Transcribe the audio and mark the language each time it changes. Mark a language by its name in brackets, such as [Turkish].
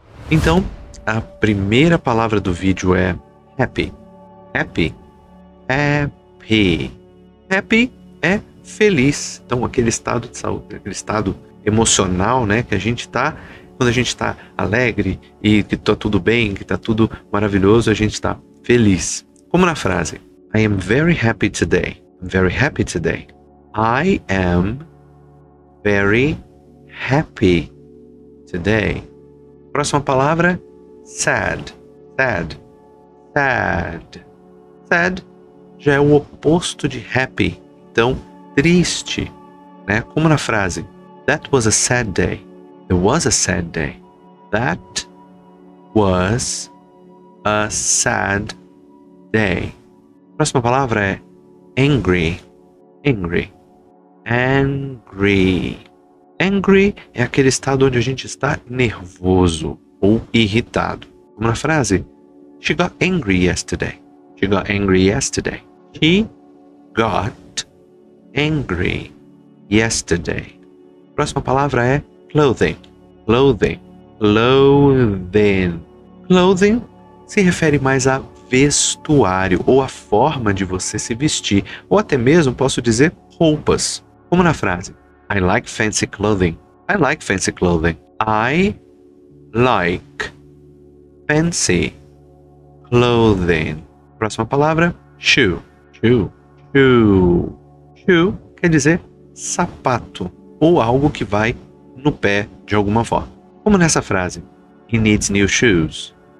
[Portuguese] Então, a primeira palavra do vídeo é happy. Happy. Happy. Happy é feliz. Então, aquele estado de saúde, aquele estado emocional, né, que a gente tá, quando a gente tá alegre e que tá tudo bem, que tá tudo maravilhoso, a gente tá feliz. Como na frase: [English] I am very happy today. I'm very happy today. I am very happy today. [Portuguese] Próxima palavra, sad. Sad. Sad. Sad já é o oposto de happy. Então, triste, né? Como na frase, [English] that was a sad day. It was a sad day. That was a sad day. [Portuguese] Próxima palavra é angry. Angry. Angry. Angry é aquele estado onde a gente está nervoso ou irritado. Como na frase, [English] she got angry yesterday. She got angry yesterday. She got angry yesterday. [Portuguese] Próxima palavra é clothing. Clothing. Clothing. Clothing se refere mais a vestuário ou a forma de você se vestir. Ou até mesmo posso dizer roupas. Como na frase, [English] I like fancy clothing. I like fancy clothing. I like fancy clothing. [Portuguese] Próxima palavra, shoe. Shoe. Shoe. Shoe quer dizer sapato ou algo que vai no pé de alguma forma. Como nessa frase, [English] he needs new shoes.